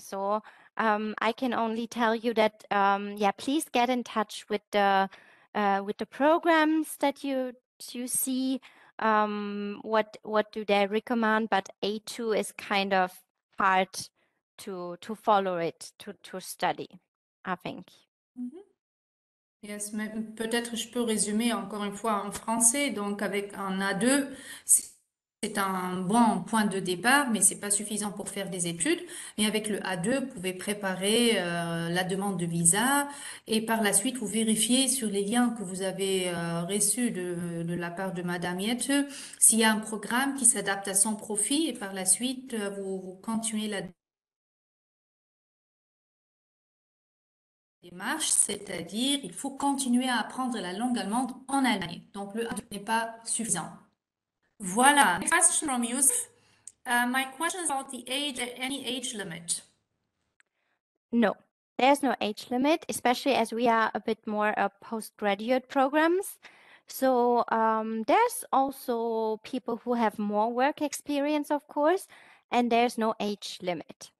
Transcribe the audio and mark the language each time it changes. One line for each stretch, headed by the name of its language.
English: So I can only tell you that yeah, please get in touch with the programs that you see. What do they recommend? But A2 is kind of hard to follow it to study, I think.
French: Yes, mais peut-être je peux résumer encore une fois en français. Donc, avec un A2, C'est un bon point de départ, mais ce n'est pas suffisant pour faire des études. Mais avec le A2, vous pouvez préparer la demande de visa et par la suite, vous vérifiez sur les liens que vous avez reçus de la part de Madame Yette s'il y a un programme qui s'adapte à son profil et par la suite, vous continuez la démarche, c'est-à-dire il faut continuer à apprendre la langue allemande en Allemagne. Donc le A2 n'est pas suffisant. Voilà.
English: My question from you. My question is about the age, any age limit. No, there's no age limit, especially as we are a bit more postgraduate programs. So there's also people who have more work experience, of course, and there's no age limit.